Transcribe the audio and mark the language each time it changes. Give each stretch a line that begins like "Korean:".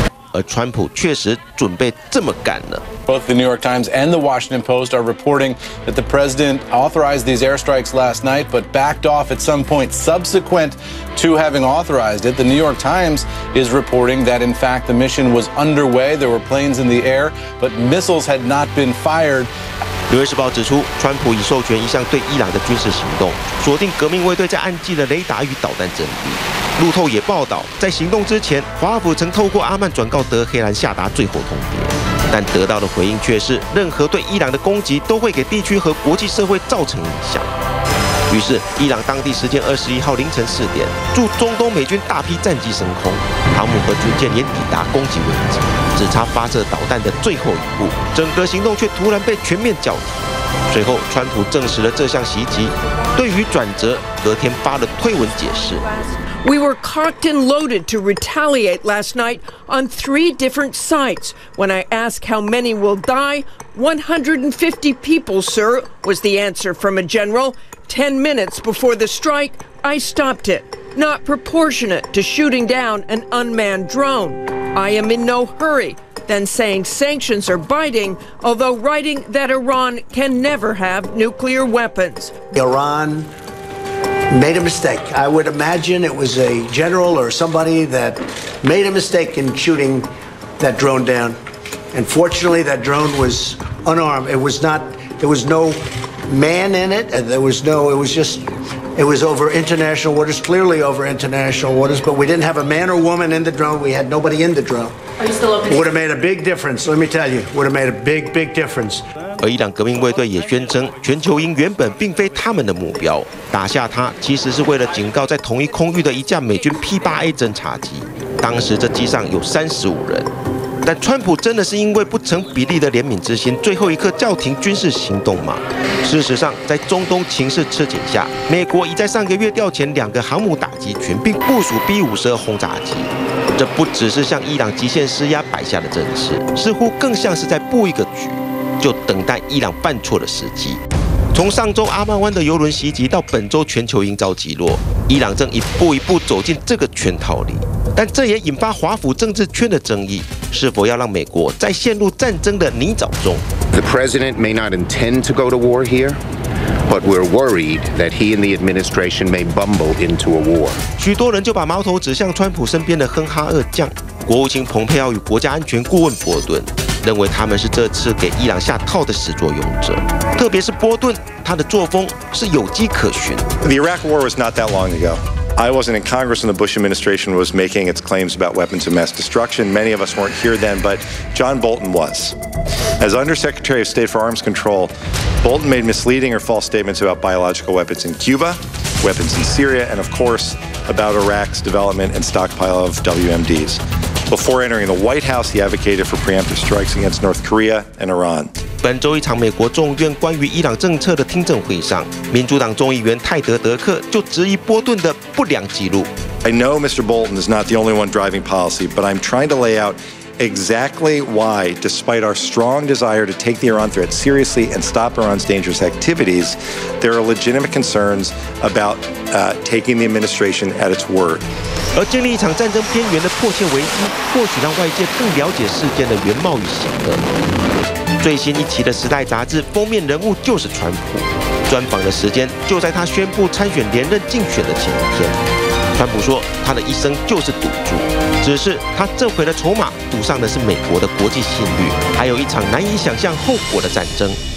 Chinese: 而川普确实准备这么干了。
English: Both the New York Times and the Washington Post are reporting that the president authorized these airstrikes last night, but backed off at some point subsequent to having authorized it. The New York Times is reporting that in fact the mission was underway. There were planes in the air, but missiles had not been fired.
Chinese: 《纽约时报》指出，川普已授权一项对伊朗的军事行动，锁定革命卫队在暗基的雷达与导弹阵地。路透也报道，在行动之前，华府曾透过阿曼转告德黑兰下达最后通牒，但得到的回应却是，任何对伊朗的攻击都会给地区和国际社会造成影响。于是，伊朗当地时间21号凌晨4点，驻中东美军大批战机升空，航母和军舰也抵达攻击位置，只差发射导弹的最后一步，整个行动却突然被全面叫停。随后，川普证实了这项袭击，对于转折，隔天发了推文解释。
English: We were cocked and loaded to retaliate last night on three different sites. When I ask how many will die, 150 people, sir, was the answer from a general. 10 minutes before the strike, I stopped it. Not proportionate to shooting down an unmanned drone. I am in no hurry, then saying sanctions are biting, although writing that Iran can never have nuclear weapons. Iran made a mistake. I would imagine it was a general or somebody that made a mistake in shooting that drone down. And fortunately, that drone was unarmed. It was not, there was no man in it, and there was no, it was just, it was over international waters, clearly over international waters, but we didn't have a man or woman in the drone. We had nobody in the drone. Are you still open? Would have made a big difference, let me tell you. Would have made a big, big difference.
Chinese: 而伊朗革命卫队也宣称，全球鹰原本并非他们的目标，打下它其实是为了警告在同一空域的一架美军 P-8A 侦察机。当时这机上有35人。但川普真的是因为不成比例的怜悯之心，最后一刻叫停军事行动吗？事实上，在中东情势吃紧下，美国已在上个月调遣两个航母打击群，并部署 B-52 轰炸机。这不只是向伊朗极限施压摆下的阵势，似乎更像是在布一个局，就等待伊朗犯错的时机。从上周阿曼湾的邮轮袭击到本周全球鹰遭击落，伊朗正一步一步走进这个圈套里。但这也引发华府政治圈的争议，是否要让美国再陷入战争的泥沼中
English: ？The president may not intend to go to war here, but we're worried that he and the administration may bumble into a war.
Chinese: 许多人就把矛头指向川普身边的亨哈二将、国务卿蓬佩奥与国家安全顾问波顿，认为他们是这次给伊朗下套的始作俑者。特别是波顿，他的作风是有迹可循。
English: The Iraq War was not that long ago. I wasn't in Congress when the Bush administration was making its claims about weapons of mass destruction. Many of us weren't here then, but John Bolton was. As Undersecretary of State for Arms Control, Bolton made misleading or false statements about biological weapons in Cuba, weapons in Syria, and of course, about Iraq's development and stockpile of WMDs. Before entering the White House, he advocated for preemptive strikes against North Korea and Iran.
Chinese: 本周一场美国众议院关于伊朗政策的听证会上，民主党众议员泰德·德克就质疑波顿的不良记录。
English: I know Mr. Bolton is not the only one driving policy, but I'm trying to lay out exactly why, despite our strong desire to take the Iran threat seriously and stop Iran's dangerous activities, there are legitimate concerns about taking the administration at its word.
Chinese: 而经历一场战争边缘的迫切危机，或许让外界更了解事件的原貌与性格。最新一期的《时代》杂志封面人物就是川普，专访的时间就在他宣布参选连任竞选的前一天。川普说，他的一生就是赌注，只是他这回的筹码赌上的是美国的国际信誉，还有一场难以想象后果的战争。